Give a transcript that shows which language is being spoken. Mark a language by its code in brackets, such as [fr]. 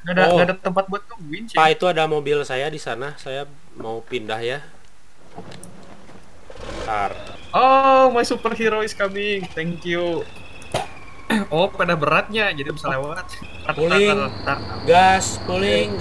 [id] Enggak ada tempat buat nge-winch. Pak, itu ada mobil saya di sana. Saya mau pindah ya. Bentar. [en] Oh, my superhero is coming. Thank you. [id] Oh, pada beratnya, jadi bisa lewat. [en] Pulling, gas, pulling, okay.